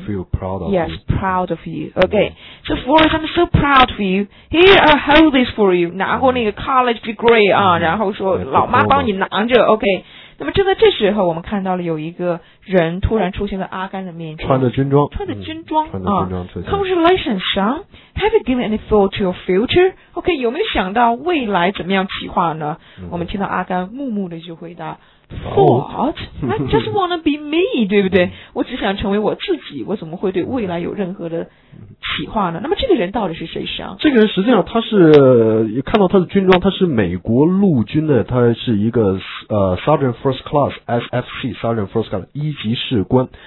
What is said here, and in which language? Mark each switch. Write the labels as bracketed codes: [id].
[en] feel proud of yes proud of you。 OK、mm-hmm. so Forrest I'm so proud of you, here I hold this for you， [zh] 拿过那个 [en] college degree 啊、mm-hmm. [zh] 然后说、 [en] mm-hmm. [zh] 老妈帮你拿着。 OK， 那么正在这时候我们看到了有一个人突然出现在阿甘的面前，穿着军装，穿着军装、嗯、穿着军装出现、 [en] 啊、Congratulations son, have you given any thought to your future? [zh] OK， 有没有想到未来怎么样计划呢、嗯、我们听到阿甘木木的就回答What? [en] I just wanna be me， [zh] 对不对？我只想成为我自己，我怎么会对未来有任何的企划呢？那么这个人到底是谁啊？这个人实际上他是看到他的军装，他是美国陆军的，他是一个Sergeant First Class SFC Sergeant First Class 一级士官。